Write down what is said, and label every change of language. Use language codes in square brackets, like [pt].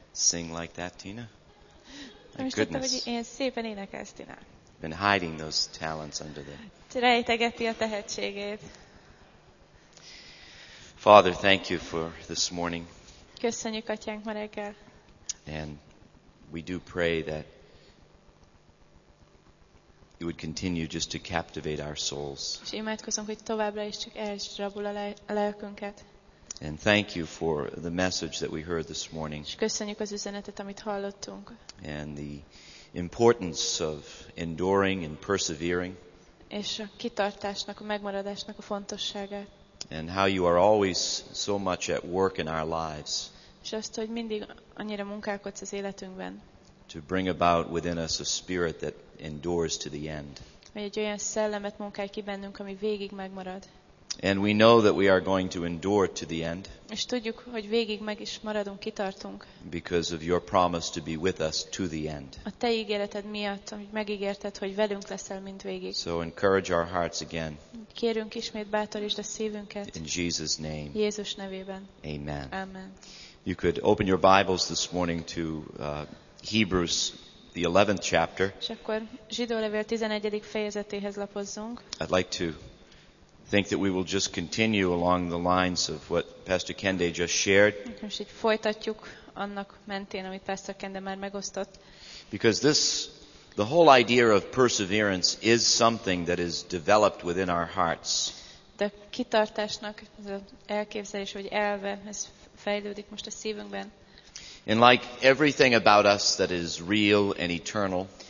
[en] Sing like that, Tina. [hu] Nem is tudtam, hogy ilyen szépen énekelsz, Tina. [en] Been hiding those talents under the. [hu] Rejtegeti a tehetségét. [en] Father, thank you for this morning. [hu] Köszönjük, Atyánk, ma reggel. [en] And we do pray that you would continue just to captivate our souls. [hu] És imádkozunk, hogy továbbra is csak elsd rabul a lelkünket. [en] And thank you for the message that we heard this morning. [hu] És köszönjük az üzenetet, amit hallottunk. [en] And the importance of enduring and persevering. [hu] És a kitartásnak, a megmaradásnak a fontosságát. [en] And how you are always so much at work in our lives. [hu] És azt, hogy mindig annyira munkálkodsz az életünkben. [en] To bring about within us a spirit that endures to the end. [hu] Vagy egy olyan szellemet munkálj ki bennünk, ami végig megmarad. [en] And we know that we are going to endure to the end. [hu] És tudjuk, hogy végig meg is maradunk, kitartunk. [en] Because of your promise to be with us to the end. [hu] A te ígéreted miatt, amit megígérted, hogy velünk leszel mind végig. [en] So encourage our hearts again. [hu] Kérünk ismét, bátorítsd a szívünket. [en] In Jesus' name. [hu] Jézus nevében. [en] Amen. [hu] Amen. [en] You could open your Bibles this morning to Hebrews, the 11th chapter. [hu] És akkor Zsidó levél 11. fejezetéhez lapozzunk. [en] I'd like to think that we will just continue along the lines of what Pastor Kende just shared. [hu] Most így folytatjuk annak mentén, amit Pastor Kende már megosztott. [en] Because this, the whole idea of perseverance is something that is developed within our hearts. [hu] De kitartásnak ez az elképzelés, vagy elve, ez fejlődik most a szívünkben. [en] And like everything about us that is real and eternal,